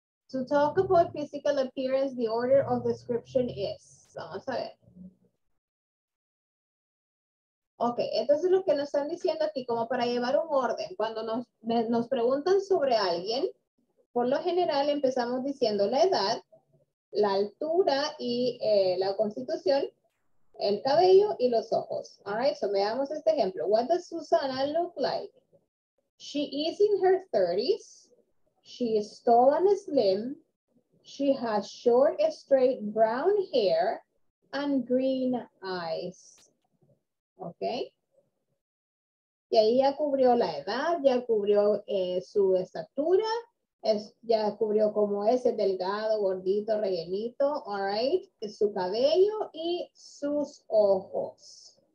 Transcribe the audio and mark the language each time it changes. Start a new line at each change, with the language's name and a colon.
English: To talk about physical appearance, the order of description is.
Spanish: Vamos a ver. Ok, entonces lo que nos están diciendo aquí, como para llevar un orden, cuando nos preguntan sobre alguien, por lo general empezamos diciendo la edad, la altura y la constitución, el cabello y los ojos.
English: All right, so
Spanish: veamos este ejemplo.
English: What does Susana look like? She is in her 30s. She is tall and slim. She has short, straight brown hair and green eyes. Ok.
Spanish: Y ahí ya cubrió la edad, ya cubrió su estatura, ya cubrió cómo es, el delgado, gordito, rellenito, all right, su cabello y sus ojos.